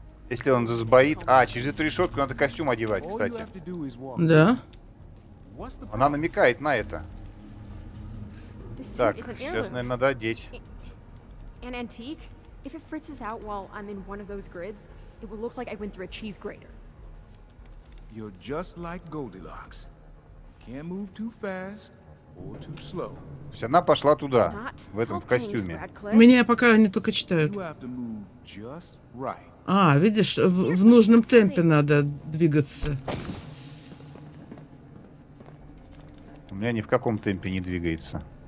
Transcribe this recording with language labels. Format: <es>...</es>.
<ru>Если он засбоит... А, через эту решетку надо костюм одевать, кстати. Да. Она намекает на это. Так, сейчас, наверное, надо одеть.</ru> <en>An antique? If it fritzes out while I'm in one of those grids, it will look like I went through a cheese grater. You're just like Goldilocks. Can't move too fast or too slow.</en> <ru>Она пошла туда, в этом в костюме. Меня пока они только читают.</ru> <en>Right.</en> <ru>А, видишь, в нужном темпе надо двигаться. У меня ни в каком темпе не двигается.</ru>